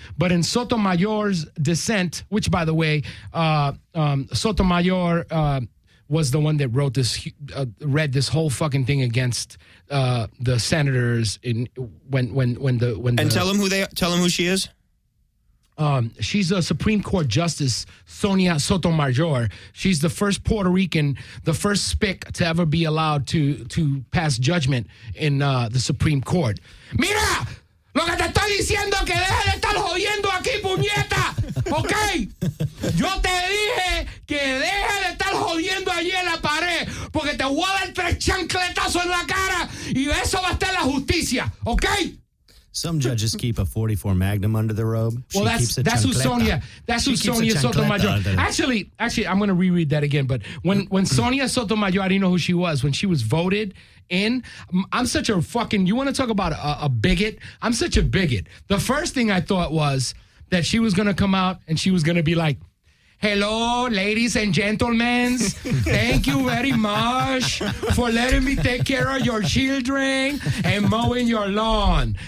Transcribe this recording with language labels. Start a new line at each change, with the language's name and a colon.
English: But in Sotomayor's dissent, which, by the way, Sotomayor was the one that wrote this, read this whole fucking thing against the senators in when and tell them who she is. She's a Supreme Court Justice, Sonia Sotomayor. She's the first Puerto Rican, the first SPIC to ever be allowed to pass judgment in the Supreme Court.
Spanish: Mira, lo que te estoy diciendo que deje de estar jodiendo aquí, puñeta. Ok. Yo te dije que deje de estar jodiendo allí en la pared, porque te voy a dar 3 chancletazos en la cara y eso va a estar la justicia. Ok.
English: Some judges keep a .44 Magnum under the robe. Well, that's who Sonia Sotomayor. Actually, I'm going to reread that again. But when Sonia Sotomayor, I didn't know who she was when she was voted in. I'm such a fucking. You want to talk about a bigot? I'm such a bigot. The first thing I thought was that she was going to come out and she was going to be like, hello, ladies and gentlemen, thank you very much for letting me take care of your children and mowing your lawn.